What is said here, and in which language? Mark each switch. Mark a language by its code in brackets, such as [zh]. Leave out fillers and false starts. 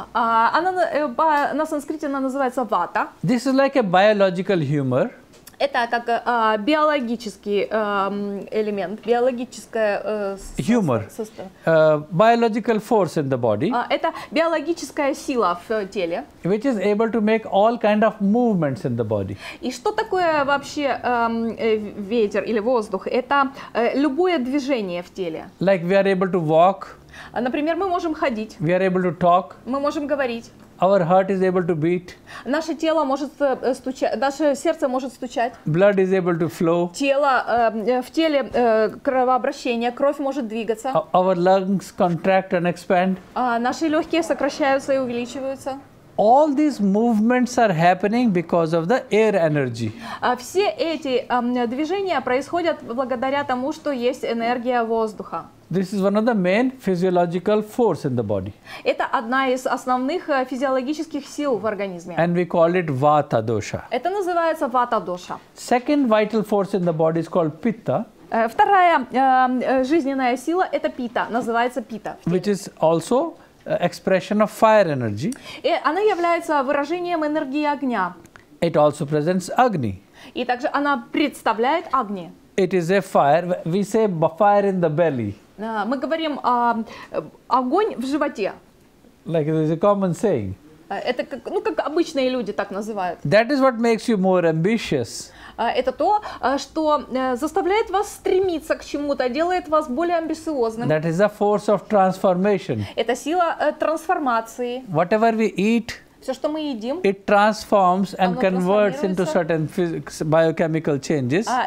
[ru] На санскрите она называется вата. [en] This is like a biological humor. [ru] Это как биологический элемент, биологическое [en] humor. Biological force in the body. [ru] Это биологическая сила в теле. [en] Which is able to make all kind of movements in the body. [ru] И что такое вообще ветер или воздух? Это любое движение в теле. [en] Like we are able to walk. [ru] Например, мы можем ходить. [en] We are able to talk. [ru] Мы можем говорить. [en] Our heart is able to beat. [ru] Наше тело может стучать, наше сердце может стучать. [en] Blood is able to flow. [ru] Тело в теле кровообращение, кровь может двигаться. [en] Our lungs contract and expand. [ru] Наши легкие сокращаются и увеличиваются. [en] All these movements are happening because of the air energy. [ru] Все эти движения происходят благодаря тому, что есть энергия воздуха. [en] This is one of the main physiological forces in the body. [ru] Это одна из основных физиологических сил в организме. [en] And we call it vata dosha. [ru] Это называется vata dosha. [en] Second vital force in the body is called pitta. [ru] Вторая жизненная сила это питта, называется питта. [en] Which is also expression of fire energy. [ru] И она является выражением энергии огня. [en] It also presents agni. [ru] И также она представляет агни. [en] It is a fire. We say fire in the belly. [ru] Мы говорим огонь в животе. [en] Like it is a common saying. [ru] Это как, ну, как обычные люди так называют. [en] That is what makes you more ambitious. [ru] Это то, что заставляет вас стремиться к чему-то, делает вас более амбициозным. [en] That is the force of transformation. [ru] Это сила трансформации. [en] Whatever we eat. [ru] Все, что мы едим, [en] it transforms and converts into certain biochemical changes.